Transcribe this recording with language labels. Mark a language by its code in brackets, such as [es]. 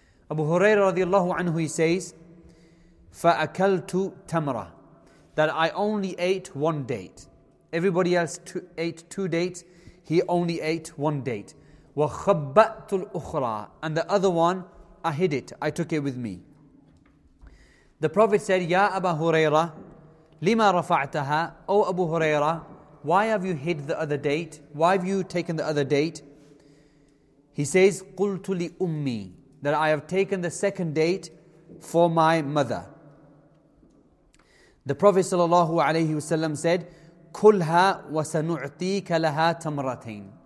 [en] Abu Hurairah radiallahu anhu, he says, [ar] فَأَكَلْتُ tamra, [en] that I only ate one date. Everybody else ate two dates. He only ate one date. [ar] وَخَبَّأْتُ الْأُخْرَى, [en] and the other one, I hid it. I took it with me. The Prophet said, [ar] يَا أَبَا هُرَيْرَةَ لِمَا رَفَعْتَهَا. [en] O Abu Hurairah, why have you hid the other date? Why have you taken the other date? He says, [ar] قُلْتُ لِأُمِّي, [en] that I have taken the second date for my mother. The Prophet [ar] sallallahu alayhi wasallam [en] said, [ar] "Kulha wa sanu'tika laha tamratayn."